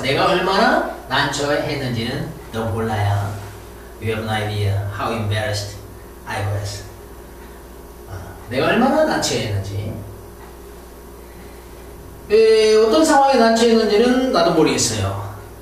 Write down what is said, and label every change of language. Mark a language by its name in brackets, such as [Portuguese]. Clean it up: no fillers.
[Korean] 내가 얼마나 난처했는지는 너 몰라야. [English] You have no idea how embarrassed I was. [Korean] 내가 얼마나 난처했는지. 어떤 상황에 난처했는지는 나도 모르겠어요.